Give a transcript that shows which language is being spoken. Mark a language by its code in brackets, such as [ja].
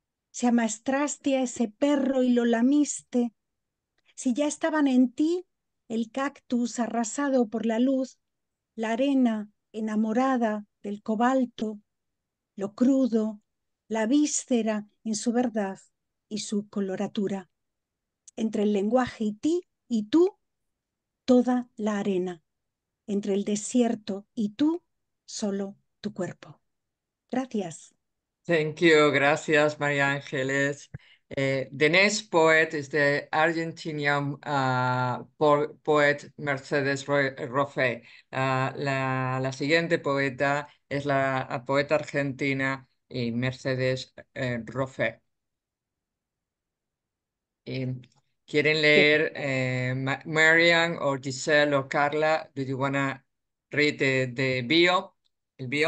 [es] Si amastraste a ese perro y lo lamiste, si ya estaban en ti el cactus arrasado por la luz, la arena enamorada del cobalto, lo crudo, la víscera en su verdad y su coloratura. Entre el lenguaje y ti y tú, toda la arena. Entre el desierto y tú, solo tu cuerpo. Gracias. [en] Thank you. [es] Gracias, María Ángeles. [en] The next poet is the Argentinian poet Mercedes Roffé. [es] La siguiente poeta es la poeta argentina y Mercedes Roffé. ¿Quieren leer Marian o Giselle o Carla? [en] Do you want to read the bio? [es] ¿El bio?